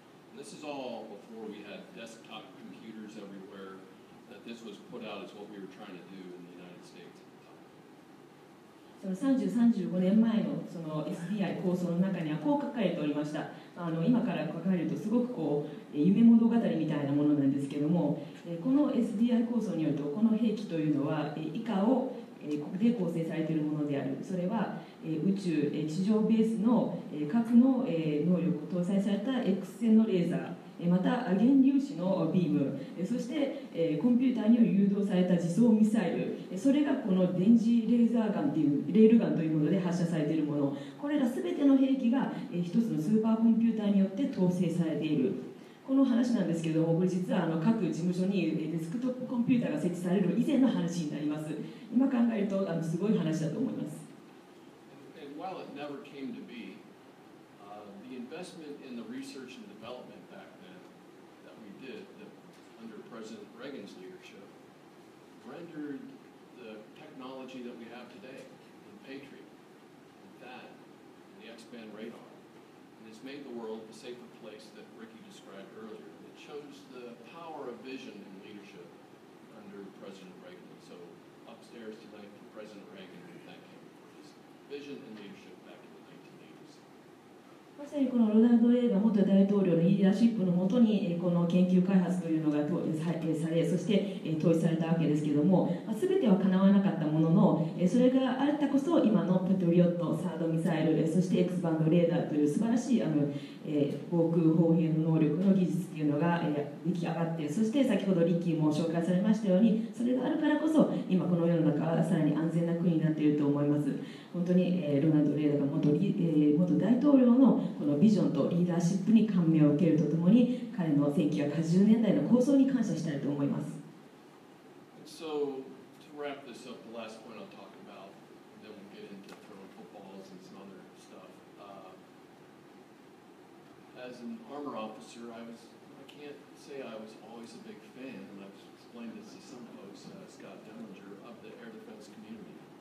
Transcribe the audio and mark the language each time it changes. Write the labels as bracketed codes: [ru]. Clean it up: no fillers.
[en] And this is all before we had desktop computers everywhere, that this was put out as what we were trying to do in the United States at the time. [ja] その30、35年前のその SDI 構想の中にはこう書かれておりました。今から書かれるとすごくこう夢物語みたいなものなんですけれども、この SDI 構想によると、この兵器というのは以下をで構成されているものである。それは宇宙地上ベースの核の能力を搭載された X 線のレーザー、また原粒子のビーム、そしてコンピューターによる誘導された自走ミサイル、それがこの電磁レーザーガンというレールガンというもので発射されているもの、これら全ての兵器が一つのスーパーコンピューターによって統制されている。この話なんですけれども、これ実は各事務所にデスクトップコンピューターが設置される以前の話になります。今考えるとすごい話だと思います。 [en] And while it never came to be, the investment in the research and development back then that we did under President Reagan's leadership rendered the technology that we have today, the Patriot, THAAD, and the X-band radar. It's made the world a safer place that Ricky described earlier. It shows the power of vision and leadership under President Reagan. So upstairs tonight for President Reagan, we thank him for his vision and leadership back in the 1980s. [ja] にこのロナルド・レーガン元大統領のリーダーシップのもとにこの研究開発というのが採用され、そして投資されたわけですけれども、全ては叶わなかったものの、それがあったこそ今のパトリオットサードミサイル、そして X バンドレーダーという素晴らしい防空砲兵の能力の技術というのが出来上がって、そして先ほどリッキーも紹介されましたように、それがあるからこそ今この世の中はさらに安全な国になっていると思います。本当にロナルド・レーガン元大統領のこのビジョンとリーダーシップに感銘を受けるとともに、彼の1980年代の構想に感謝したいと思います。 [en] So, to wrap this up, the last point I'll talk about, then we'll get into throwing footballs and some other stuff. As an armor officer, I can't say I was always a big fan, and I've explained this to some folks, Scott Dellinger, of the air defense community.